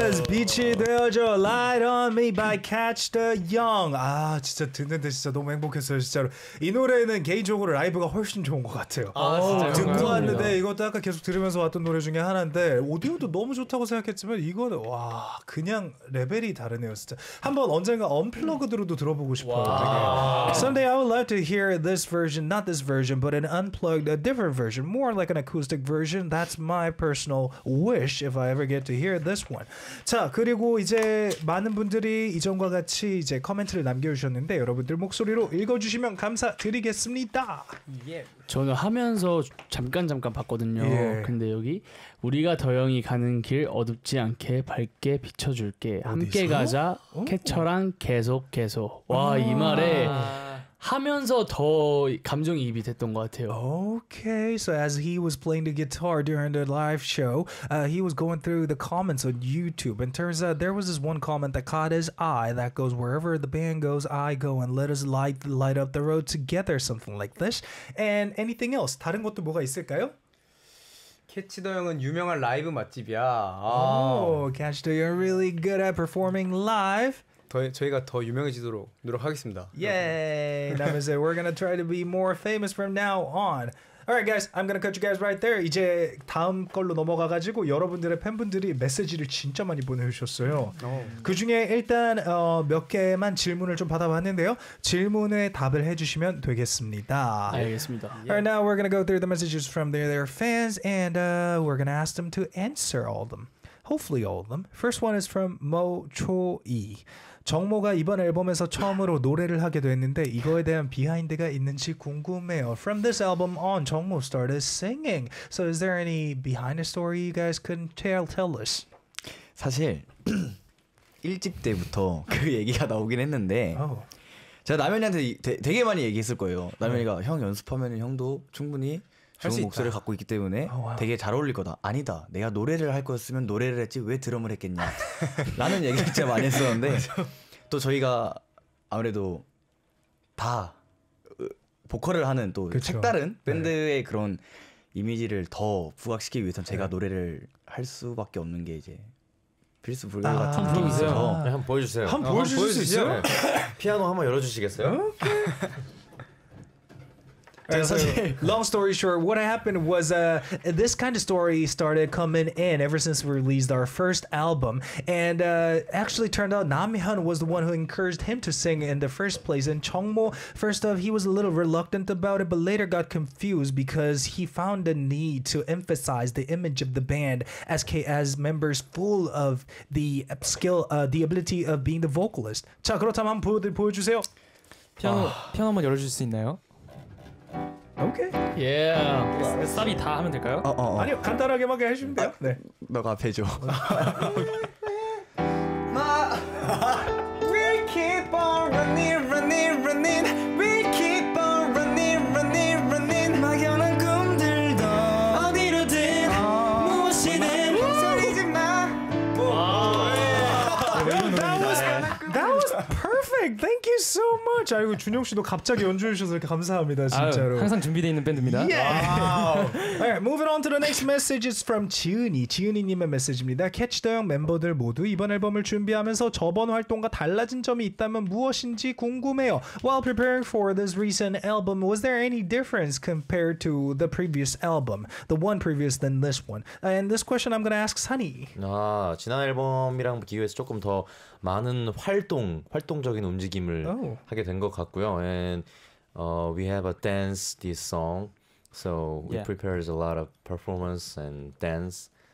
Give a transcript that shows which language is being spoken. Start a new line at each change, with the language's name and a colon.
Korean: 위치되어줘 Light on me by Catch the Young. 아 진짜 듣는데 진짜 너무 행복했어요. 진짜로 이 노래는 개인적으로 라이브가 훨씬 좋은 것 같아요. 아 진짜 듣고 왔는데 이것도 아까 계속 들으면서 왔던 노래 중에 하나인데 오디오도 너무 좋다고 생각했지만 이거는 와 그냥 레벨이 다르네요. 진짜 한번 언젠가 언플러그드로도 들어보고 싶어요.
English: Someday I would love to hear this version, not this version, but an unplugged, a different version, more like an acoustic version. That's my personal wish if I ever get to hear this one.
Korean: 자 그리고 이제 많은 분들이 이전과 같이 이제 코멘트를 남겨주셨는데 여러분들 목소리로 읽어주시면 감사드리겠습니다. 예. 저는 하면서 잠깐 봤거든요. 예. 근데 여기 우리가 더영이 가는 길 어둡지 않게 밝게 비춰줄게. 어디서? 함께 가자. 어? 캐처랑 계속. 와 이 말에 하면서 더 감정이입이 됐던 것 같아요.
English: Okay, so as he was playing the guitar during the live show, he was going through the comments on YouTube, and turns out there was this one comment that caught his eye that goes, wherever the band goes, I go, and let us light up the road together, something like this. And anything else?
Korean: 다른 것도 뭐가 있을까요? Catch the Young은 유명한 라이브 맛집이야.
English: Catch the Young really good at performing live.
Korean: 저희가 더 유명해지도록 노력하겠습니다.
English: Yay! That means that we're gonna try to be more famous from now on. Alright guys, I'm gonna cut you guys right there.
Korean: 이제 다음 걸로 넘어가가지고 여러분들의 팬분들이 메시지를 진짜 많이 보내주셨어요. 그 중에 일단 몇 개만 질문을 좀 받아봤는데요. 질문에 답을 해주시면 되겠습니다. 알겠습니다.
English: Alright, now we're gonna go through the messages from their fans and we're gonna ask them to answer all of them. Hopefully all of them. First one is from Mo Choi.
Korean: 정모가 이번 앨범에서 처음으로 노래를 하게 됐는데 이거에 대한 비하인드가 있는지 궁금해요.
English: From this album on, 정모 started singing. So is there any behind the story you guys can tell us?
Korean: 사실 1집 때부터 그 얘기가 나오긴 했는데 제가 남현이한테 되게 많이 얘기했을 거예요. 남현이가 형 연습하면 형도 충분히 좋은 목소리를 갖고 있기 때문에 되게 잘 어울릴 거다. 아니다. 내가 노래를 할 거였으면 노래를 했지 왜 드럼을 했겠냐. 라는 얘기 진짜 많이 했었는데 또 저희가 아무래도 다 보컬을 하는 또 그쵸. 색다른 밴드의 네. 그런 이미지를 더 부각시키기 위해서 제가 네. 노래를 할 수밖에 없는 게 이제 필수 불가 같은 느낌이 있어서 한번 보여주세요. 한번 보여주실 수 있어요? 네. 피아노 한번 열어주시겠어요?
English: long story short, what happened was this kind of story started coming in ever since we released our first album. And actually turned out Namhyun was the one who encouraged him to sing in the first place. And Jeongmo, first off, he was a little reluctant about it, but later got confused because he found a need to emphasize the image of the band as members full of the skill, the ability of being the vocalist.
Korean: 자, 그렇다면 한번 보여주세요. 피아노 한번 열어줄 수 있나요? 오케이. 예. 스탑이 다 하면 될까요? 아니요. 간단하게만 해 주면 돼요. 네. 너가 앞에 줘.
English: 마. We keep on running, running, running. We keep on running, running, running.
Korean: 막연한 꿈들도 어디로든 무엇이든 소리지 마. 와.
English: That was perfect. Thank you so much.
Korean: 아이고 준영 씨도 갑자기 연주해 주셔서 이렇게 감사합니다. 진짜로. 아유, 항상 준비되어 있는 밴드입니다.
English: Yeah. Wow. All right, moving on to the next message is from 지은이.
Korean: 지은이 님의 메시지입니다. 캐치더영 멤버들 모두 이번 앨범을 준비하면서 저번 활동과 달라진 점이 있다면 무엇인지 궁금해요.
English: While preparing for this recent album, was there any difference compared to the previous album? The one previous than this one. And this question I'm going to ask Sunny.
Korean: 아, 지난 앨범이랑 비교해서 조금 더 많은 활동적인 움직임을 하게 된 것 같고요.
English: And we have a dance this song, so we prepared a lot of performance and dance.